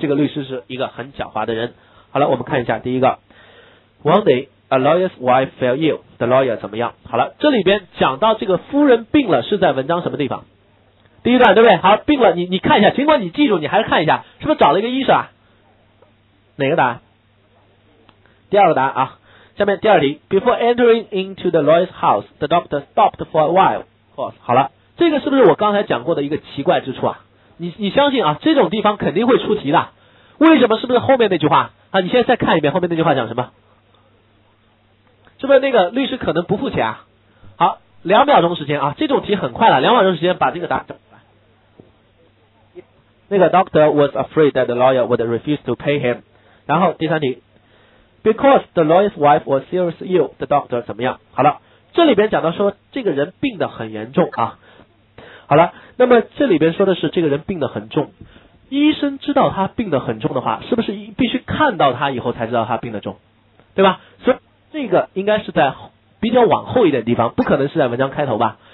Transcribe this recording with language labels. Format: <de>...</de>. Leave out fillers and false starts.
<zh>这个律师是一个很狡猾的人。好了，我们看一下第一个。</zh> <en>One dayA lawyer's wife fell ill. The lawyer</en> <zh>怎么样？好了，这里边讲到这个夫人病了，是在文章什么地方？第一段，对不对？好，病了，你看一下，尽管你记住，你还是看一下，是不是找了一个医生啊？哪个答案？第二个答案啊。下面第二题</zh> <en>，Before entering into the lawyer's house, the doctor stopped for a while. Pause.</en> <zh>好了，这个是不是我刚才讲过的一个奇怪之处啊？你相信啊，这种地方肯定会出题的。为什么？是不是后面那句话啊？你现在再看一遍后面那句话讲什么？是不是那个律师可能不付钱啊？好，两秒钟时间啊，这种题很快了，两秒钟时间把这个答案找出来。那个</zh> <en>doctor was afraid that the lawyer would refuse to pay him.</en> <zh>然后第三题</zh> <en>，because the lawyer's wife was seriously ill, the doctor</en> <zh>怎么样？好了，这里边讲到说这个人病得很严重啊。好了，那么这里边说的是这个人病得很重，医生知道他病得很重的话，是不是必须看到他以后才知道他病得重，对吧？所以这个应该是在比较往后一点地方，不可能是在文章开头吧。</zh>